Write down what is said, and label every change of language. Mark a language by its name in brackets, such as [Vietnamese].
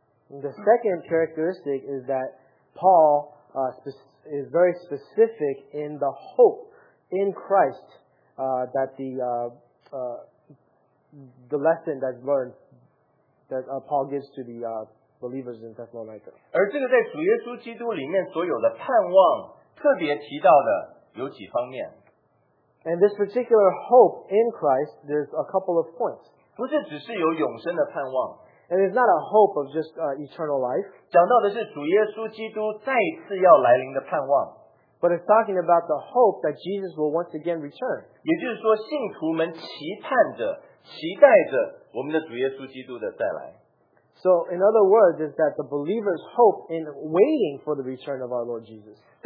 [English] The second characteristic is that Paul is very specific in the hope in Christ that the lesson that's learned that Paul gives to the believers in Thessalonica. [Chinese] 而这个在主耶稣基督里面所有的盼望特别提到的有几方面。 [English] And this particular hope in Christ, there's a couple of points. [Chinese] 不是只是有永生的盼望。 [English] And it's not a hope of just eternal life. [Chinese] 讲到的是主耶稣基督再次要来临的盼望。 [English] But it's talking about the hope that Jesus will once again return. [Chinese] 也就是说信徒们期盼着，期待着我们的主耶稣基督的再来。 [English] So in other words, is that the believers hope in waiting for the return of our Lord Jesus.